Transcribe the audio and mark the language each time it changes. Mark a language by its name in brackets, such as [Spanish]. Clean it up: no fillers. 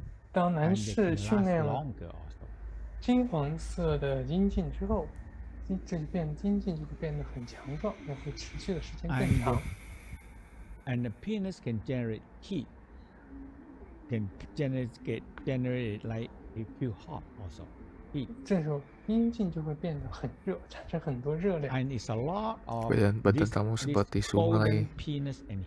[Chinese] 当男士训练了金黄色的阴茎之后，这边阴茎就会变得很强壮，也会持续的时间更长。 [English] And the penis can generate heat, can generate like a few hot also heat. [Chinese] 这时候阴茎就会变得很热，产生很多热量。 [English] And it's a lot of this golden penis and heat.